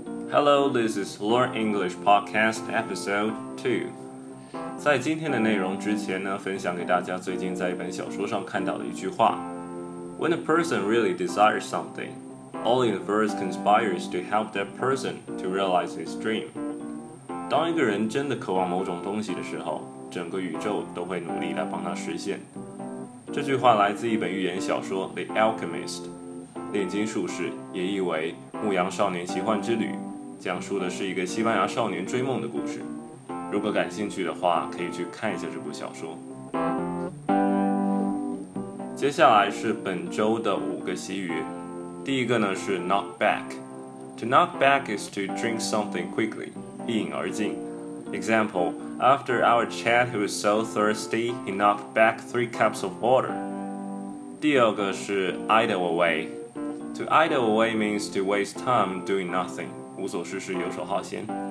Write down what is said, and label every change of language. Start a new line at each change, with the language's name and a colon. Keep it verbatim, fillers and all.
English: Hello, this is Learn English Podcast Episode two.
Chinese: 在今天的内容之前呢，分享给大家最近在一本小说上看到的一句话 ：
English: When a person really desires something, all the universe conspires to help that person to realize his dream.
Chinese: 当一个人真的渴望某种东西的时候，整个宇宙都会努力来帮他实现。这句话来自一本寓言小说《The Alchemist》，炼金术士，也译为《牧羊少年奇幻之旅》。讲述的是一个西班牙少年追梦的故事。如果感兴趣的话，可以去看一下这部小说。接下来是本周的五个习语。第一个呢是 knock back。
English: To knock back is to drink something quickly，
Chinese: 一饮而尽。
English: Example: After our chat, he was so thirsty, he knocked back three cups of water.
Chinese: 第二个是
English: idle away。 To idle away means to waste time doing nothing。
Chinese: 无所事事，游手好闲。